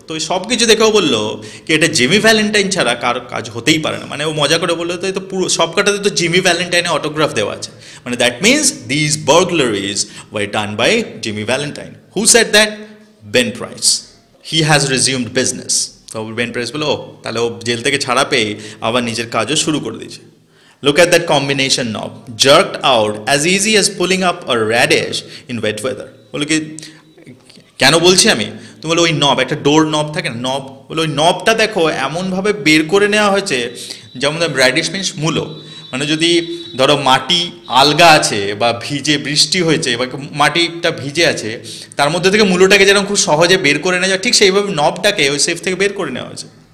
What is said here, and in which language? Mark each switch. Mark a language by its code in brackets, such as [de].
[bn] তো সব কিছু দেখে ও বললো কি এটা জিমি ভ্যালেন্টাইন ছাড়া কার কাজ হতেই পারে না, মানে ও মজা করে বললো তো পুরো সব কাটাতে তো জিমি ভ্যালেন্টাইনের অটোগ্রাফ দেওয়া আছে, মানে [en] That means these burglaries were done by Jimmy Valentine. Who said that, Ben Price, he has resumed business. [bn] তো বেন প্রাইস বলো তাহলে ও জেল থেকে ছাড়া পেয়ে আবার নিজের কাজও শুরু করে দিয়েছে। [en] Look at that combination knob, jerked out as easy as pulling up a radish in wet weather. [bn] বলো কি কেন বলছি আমি, তুমি বলো ওই নব একটা ডোর নব থাকে না, নব বলে ওই নবটা দেখো এমনভাবে বের করে নেওয়া হয়েছে, যেমন র্যাডিশ মিনস মূলো, মানে যদি ধরো মাটি আলগা আছে বা ভিজে বৃষ্টি হয়েছে বা মাটিটা ভিজে আছে, তার মধ্যে থেকে মূলোটাকে যেরকম খুব সহজে বের করে নেওয়া যায়, ঠিক সেইভাবে নবটাকে ওই সেফ থেকে বের করে নেওয়া হয়েছে।